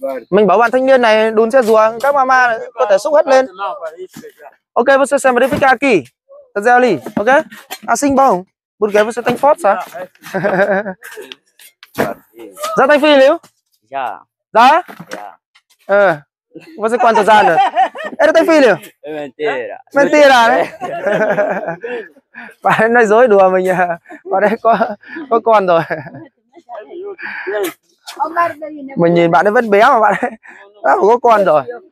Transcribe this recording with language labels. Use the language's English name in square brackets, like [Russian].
[Vietnamese] Mình bảo bạn thanh niên này đun xe rùa, các mama có thể xúc hết lên. [Portuguese] Ok, você xem verifica aqui. Tá zeli, ok? Assim bom. Porque aí você tem foto, sabe? Já tem filho? Já. Já? Já. Você quantos anos? Ele tem filho? É mentira. Mentira, né? Parece nós dois do amanhã. Parece quando? [Vietnamese] Mình nhìn bạn ấy vẫn béo mà bạn ấy đã có con rồi.